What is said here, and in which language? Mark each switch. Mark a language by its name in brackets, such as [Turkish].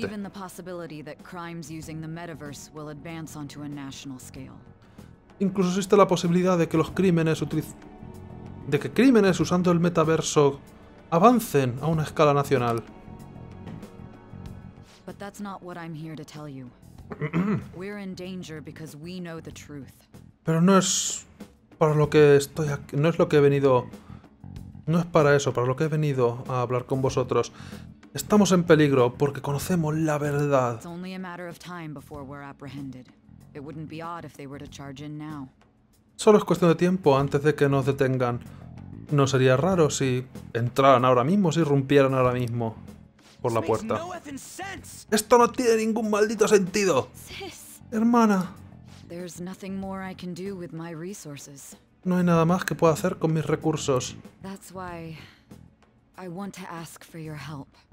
[English] There's even the possibility that crimes using the metaverse will advance onto a national scale. [Spanish] Incluso existe la posibilidad de que los crímenes usando el metaverso avancen a una escala nacional. [English] But that's not what I'm here to tell you. We're in danger because we know the truth. [Spanish] Pero no es para lo que estoy aquí, no es lo que he venido, no es para eso, para lo que he venido a hablar con vosotros. Estamos en peligro porque conocemos la verdad. [English] It's only a matter of time before we're apprehended. It wouldn't be odd if they were to charge in now. [Spanish] Solo es cuestión de tiempo antes de que nos detengan. No sería raro si entraran ahora mismo, si irrumpieran ahora mismo por la puerta. Esto no tiene ningún maldito sentido. Hermana. [English] There's nothing more I can do with my resources. [Spanish] No hay nada más que pueda hacer con mis recursos. [English] That's why I want to ask for your help.